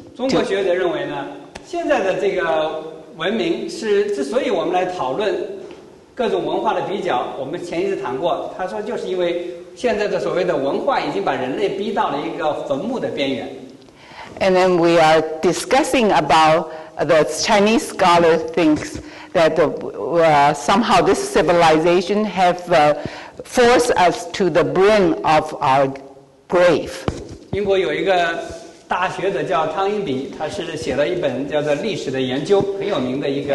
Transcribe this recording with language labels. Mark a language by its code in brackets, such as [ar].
[zh] 中国学者认为呢，现在的这个。文明是之所以我们来讨论各种文化的比较，我们前一次谈过，他说就是因为现在的所谓的文化已经把人类逼到了一个坟墓的边缘。 [en] And then we are discussing about the Chinese scholar thinks that somehow this civilization have forced us to the brink of our grave. [zh] 英国有一个大学者叫汤因比，他是写了一本叫做《历史的研究》，很有名的一个。